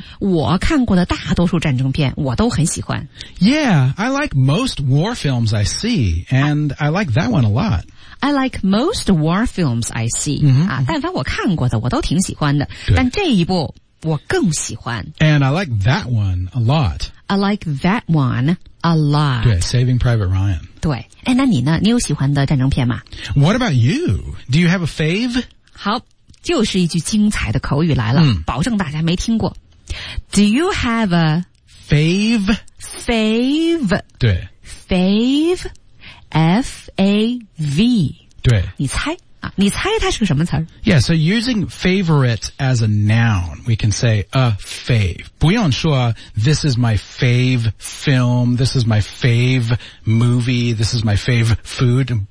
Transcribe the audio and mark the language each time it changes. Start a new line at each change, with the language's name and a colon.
Chinese: 我看过的大多数战争片我都很喜欢。
English: Yeah, I like most war films I see, and I like that one a lot. I like most war films I see.、 Mm-hmm.
Chinese: 啊但凡我看过的我都挺喜欢的。对。但这一部我更喜欢。
English: And I like that one a lot. I like that one a lot.
Chinese: 对 ,Saving Private Ryan. 对。诶那你呢你有喜欢的战争片吗
English: ?What about you? Do you have a fave?
Chinese: 好。就是一句精彩的口语来了、嗯、保证大家没听过。
English: Do you have a fave? Fave?
Chinese: 对。
English: Fave? F-A-V?
Chinese: 对。你猜、啊、你猜它是个什么词
English: Yeah, so using favorite as a noun, we can say a fave.
Chinese: 不用说
English: this is my fave film, this is my fave movie, this is my fave food.